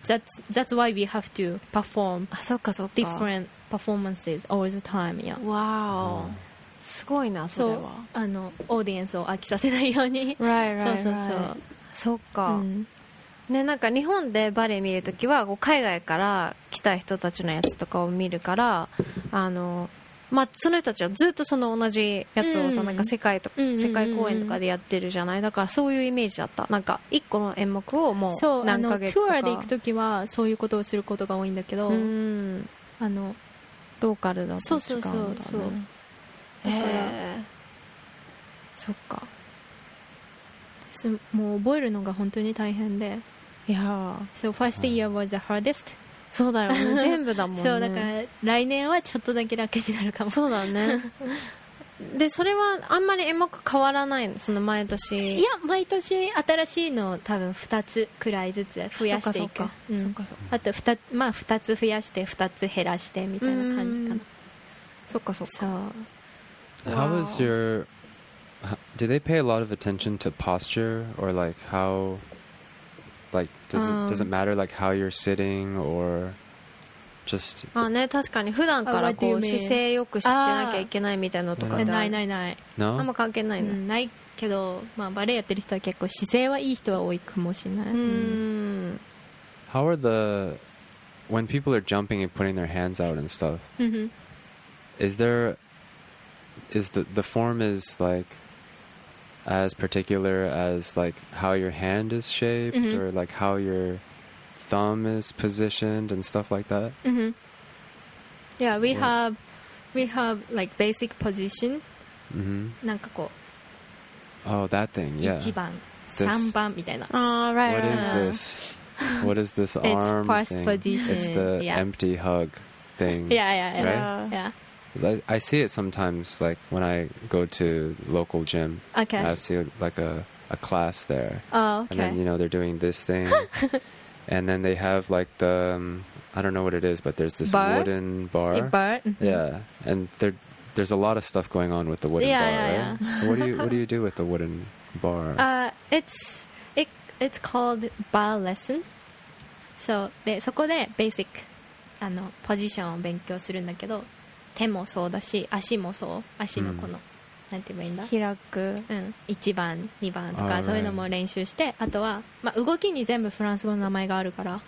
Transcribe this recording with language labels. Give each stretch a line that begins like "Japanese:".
English: So that's why we have to perform different performances all the time. Yeah.
Japanese: Wow. すごいな、それは。あの、オーディエンスを飽きさせないように。
English: Right, right, right.
Japanese: そうそうそう。そっか。うん。ね、なんか日本でバレエ見るときは、こう海外から来た人たちのやつとかを見るから、あの、まあ、その人たちはずっとその同じやつをさ、うん、なんか世界と、うんうんうん、世界公演とかでやってるじゃない。だからそういうイメージだった。なんか一個の演目をもう何ヶ月とか。そう、あのツアーで行くときはそういうことをすることが多いんだけど、うん、あのローカルだと違うんだね。そうそうそう。だから、そっか。です。もう覚えるのが本当に大変で。いや、
English: So first year was the hardest.
Japanese: そうだよね、全部だもんね。そうだから来年はちょっとだけ楽になるかも。そうだね。でそれはあんまり演目変わらないの、その毎年。いや毎年新しいのを多分2つくらいずつ増やしていく。あと 2,、まあ、2つ増やして2つ減らしてみたいな感じかな。そっかそっか。そう、
English: How is your do they pay a lot of attention to posture or like howLike, does it matter like how you're sitting or just?
Japanese: あね、確かに普段からこう姿勢よくしてなきゃいけないみたいなとかない、ないない、
English: no?
Japanese: あんま関係ないの、うん、ないけど、まあバレエやってる人は結構姿勢はいい人は多いかもしれない。うん、
English: how are the when people are jumping and putting their hands out and stuff? is the form is like. As particular as like how your hand is shaped、mm-hmm. or like how your thumb is positioned and stuff like that.、 Mm-hmm. Yeah, we have like basic position. Mm-hmm.
Japanese: なんかこう
English: Oh, that thing. Yeah.
Japanese: 一番、三番みたいな。
English: Oh, right. What is this? What is this arm thing? It's first position. It's the、 yeah. empty hug thing. Yeah, yeah, yeah. Right? Yeah. I see it sometimes, like when I go to local gym. Okay. I see like a class there. Oh, okay. And then, you know, they're doing this thing. And then they have like the, I don't know what it is, but there's this bar? Wooden bar. A bar? Mm-hmm. Yeah. And there's a lot of stuff going on with the wooden bar, right? Yeah. What do you do with the wooden bar? It's called bar lesson.
Japanese: So, そこで basic あのポジションを勉強するんだけど手もそうだし足もそう足のこの、うん、なんて言えばいいんだ開く、うん、1番2番とかそういうのも練習してあとは、まあ、動きに全部フランス語の名前があるから